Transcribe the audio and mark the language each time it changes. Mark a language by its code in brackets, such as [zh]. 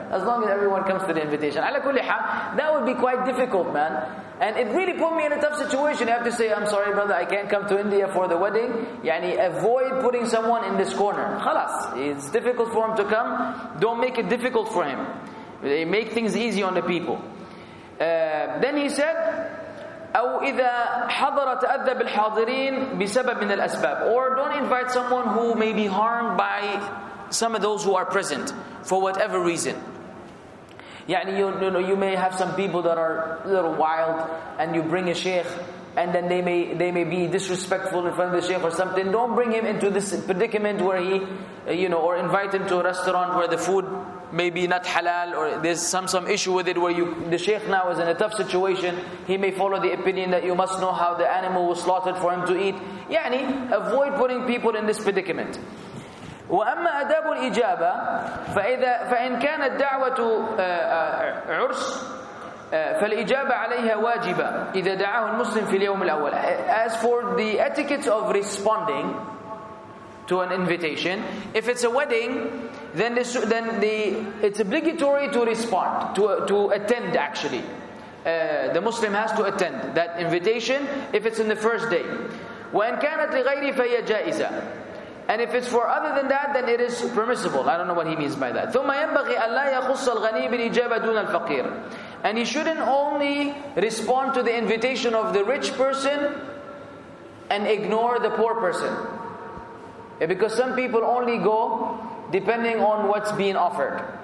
[en] As long as everyone comes to the invitation. [ar] Ala kulli hal, [en] that would be quite difficult, man. And it really put me in a tough situation. I have to say, "I'm sorry, brother, I can't come to India for the wedding." Yani, avoid putting someone in this corner. Khalas, it's difficult for him to come. Don't make it difficult for him. They make things easy on the people. [ar] Then he said, أو إذا حضر تأذى بالحاضرين بسبب من الأسباب. [en] Or don't invite someone who may be harmed by some of those who are present for whatever reason. يعني you may have some people that are a little wild, and you bring a sheikh, and then they may be disrespectful in front of the sheikh or something. Don't bring him into this predicament where he, you know, or invite him to a restaurant where the food maybe not halal, or there's some issue with it where the sheikh now is in a tough situation. He may follow the opinion that you must know how the animal was slaughtered for him to eat. يعني, avoid putting people in this predicament. [ar] وأما أداب الإجابة فإن كانت دعوة عرس فالإجابة عليها واجبة إذا دعاه المسلم في اليوم الأول. [en] As for the etiquette of responding to an invitation, if it's a wedding, then it's obligatory to respond, to attend actually. The Muslim has to attend that invitation if it's in the first day. [ar] وإن كانت لغيري فهي جائزة. [en] And if it's for other than that, then it is permissible. I don't know what he means by that. [ar] ثُمَّ يَنْبَغِي أَلَّا يَخُصَّ الْغَنِي بِالْإِجَابَةِ دُونَ الْفَقِيرِ. [en] And he shouldn't only respond to the invitation of the rich person and ignore the poor person. Because some people only go depending on what's being offered.